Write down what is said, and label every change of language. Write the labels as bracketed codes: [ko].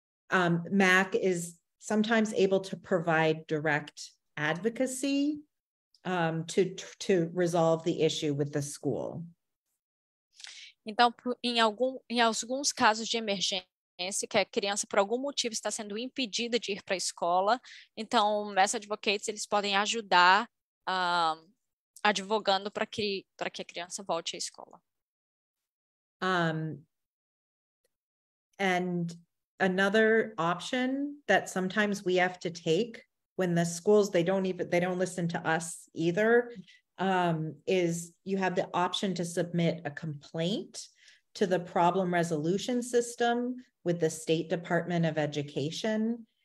[en] MAC is sometimes able to provide direct advocacy to resolve the issue with the school. [pt] Então, em alguns casos de emergência, que a criança, por algum motivo, está sendo impedida de ir para a escola, então, Mass Advocates, eles podem ajudar advogando para que a criança volte à escola. [en] And another option that sometimes we have to take when the schools, they don't listen to us either, is you have the option to submit a complaint to the problem resolution system with the State Department of Education.